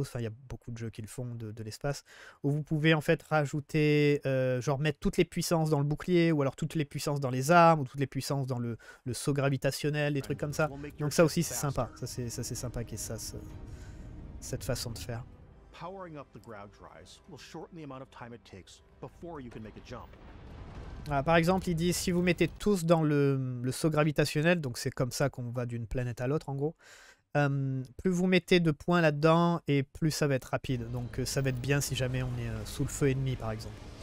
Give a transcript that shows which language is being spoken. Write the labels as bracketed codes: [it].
[fr] Enfin, il y a beaucoup de jeux qui le font de l'espace. Où vous pouvez en fait rajouter, genre mettre toutes les puissances dans le bouclier, ou alors toutes les puissances dans les armes, ou toutes les puissances dans le saut gravitationnel, des trucs comme ça. Donc ça aussi, c'est sympa. Ça c'est sympa qu'il y ait ça, cette façon de faire. [en] Powering up the grav drives will shorten the amount of time it takes before you can make a jump. [fr] Ah, par exemple, il dit si vous mettez tous dans le saut gravitationnel, donc c'est comme ça qu'on va d'une planète à l'autre en gros. Plus vous mettez de points là-dedans et plus ça va être rapide. Donc ça va être bien si jamais on est sous le feu ennemi par exemple.